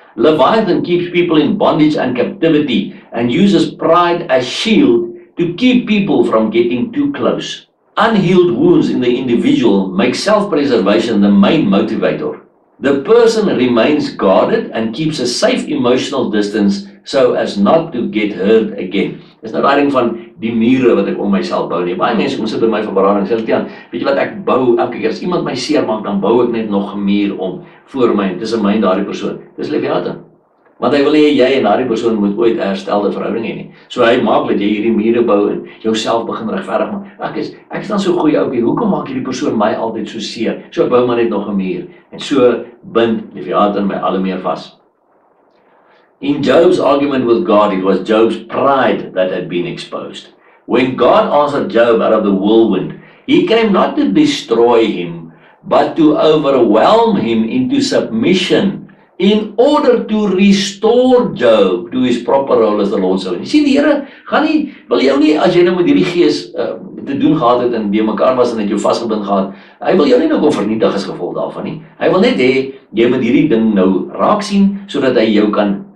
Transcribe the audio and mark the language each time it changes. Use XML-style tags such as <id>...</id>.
<en>Leviathan keeps people in bondage and captivity and uses pride as shield to keep people from getting too close. Unhealed wounds in the individual make self-preservation the main motivator. The person remains guarded and keeps a safe emotional distance so as not to get hurt again.</en> <af>Dis nou daai ding van die mure wat ek om myself bou nie. Baie mense kom sit by my vir berading en sê, "Tiaan, weet jy wat ek bou elke keer as iemand my seer maak, dan bou ek net nog 'n muur om voor my en tussen my en daardie persoon." Dis Leviathan. Want hy wil nie jy en daardie persoon moet ooit 'n herstelde verhouding hê nie. So hy maak dat jy hierdie mure bou en jouself begin regverdig maak. Ek is dan so goeie ouppie, hoekom maak hierdie persoon my altyd so seer? So ek bou maar net nog 'n muur. En so bind Leviathan my al meer vas.</af> <en>In Job's argument with God, it was Job's pride that had been exposed. When God answered Job out of the whirlwind, he came not to destroy him, but to overwhelm him into submission in order to restore Job to his proper role as the Lord's servant.</en> <af>Sien, die Here gaan nie, wil jou nie, as jy nou met hierdie gees te doen gehad het en by mekaar was en het jou vasgebind gehad, hy wil jou nie nou kon vernietig as gevolg daarvan nie. Hy wil net hê, jy moet hierdie ding nou raak sien, so dat hy jou kan</af>